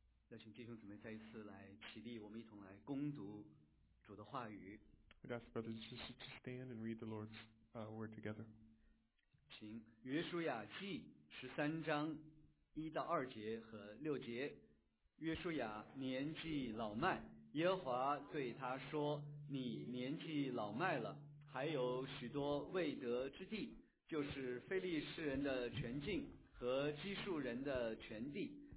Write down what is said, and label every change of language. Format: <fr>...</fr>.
<zh>邀请弟兄姊妹再一次来起立，我们一同来攻读主的话语。</zh> <en>We'd ask brothers to stand and read the Lord's word together.</en> <zh>请约书亚记十三章一到二节和六节。约书亚年纪老迈，耶和华对他说：“你年纪老迈了，还有许多未得之地，就是非利士人的全境和基述人的全地。”</zh>